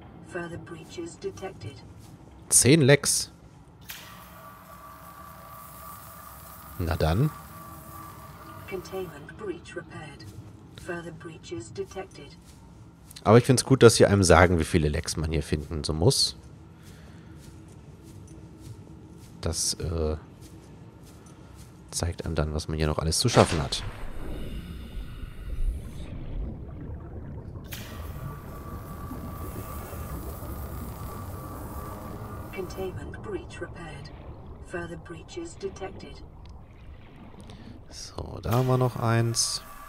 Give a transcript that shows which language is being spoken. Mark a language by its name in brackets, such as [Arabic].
[English] Further breaches detected. [German] 10 Lecks. Na dann. [English] Containment breach repaired. Further breaches detected. [German] Aber ich finde es gut, dass sie einem sagen, wie viele Lecks man hier finden so muss. Das zeigt einem dann, was man hier noch alles zu schaffen hat. [English] Containment breach repaired. Further breaches detected. [German] So, da haben wir noch eins.